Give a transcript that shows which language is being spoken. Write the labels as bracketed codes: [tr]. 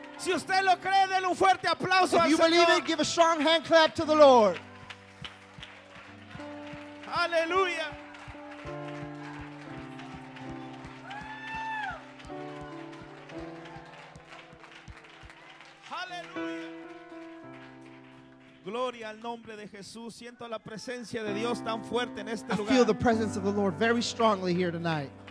[es] Si usted lo cree, denle un fuerte aplauso al [en] If you believe it, give a strong hand clap to the Lord. [es] Aleluya. Gloria al nombre de Jesús. Siento la presencia de Dios tan fuerte en este lugar. [en] I feel the presence of the Lord very strongly here tonight.